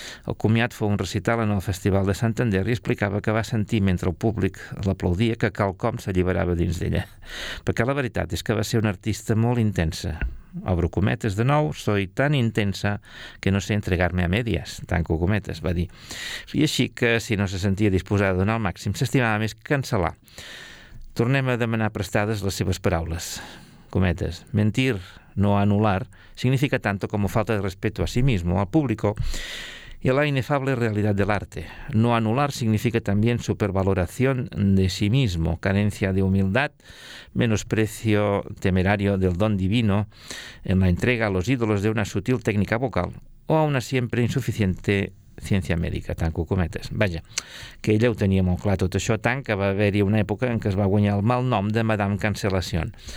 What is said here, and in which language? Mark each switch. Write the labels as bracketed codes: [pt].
[ca] El comiat fou un recital en el Festival de Santander i explicava que va sentir, mentre el públic l'aplaudia, que quelcom s'alliberava dins d'ella. Perquè la veritat és que va ser una artista molt intensa. Obro cometes de nou, [es] soy tan intensa que no sé entregar-me a medias, [ca] tanco cometes, va dir. I així que, si no se sentia disposada a donar el màxim, s'estimava més cancel·lar. Tornem a demanar prestades les seves paraules. [es] Cometes, mentir, no anular, significa tanto como falta de respeto a sí mismo, al público, y a la inefable realidad del arte. No anular significa también supervaloración de sí mismo, carencia de humildad, menosprecio temerario del don divino en la entrega a los ídolos de una sutil técnica vocal o a una siempre insuficiente [ca] ciència mèdica, tanco cometes. Vaja, que ella ho tenia molt clar tot això, tant que va haver-hi una època en què es va guanyar el mal nom de Madame Cancelación.